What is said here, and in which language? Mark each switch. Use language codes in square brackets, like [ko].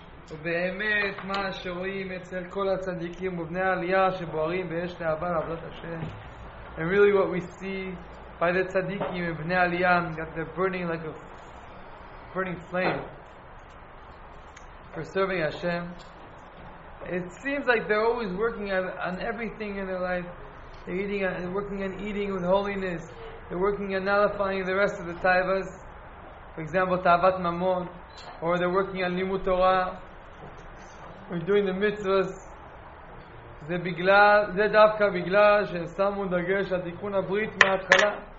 [he] ובאמת מה שרואים אצל כל הצדיקים ובני העלייה שבוערים ויש לאהבה לעבודת השם. [en] And really what we see by the tzaddikim and bnei aliyah, that they're burning like a burning flame for serving Hashem. It seems like they're always working on everything in their life. They're eating and working on eating with holiness. They're working on nullifying the rest of the taivas. For example, ta'avat mamon. Or they're working on limud Torah. We're doing the mitzvahs. [he] זה בגלל, זה דווקא בגלל ששמו דגש על תיקון הברית מההתחלה.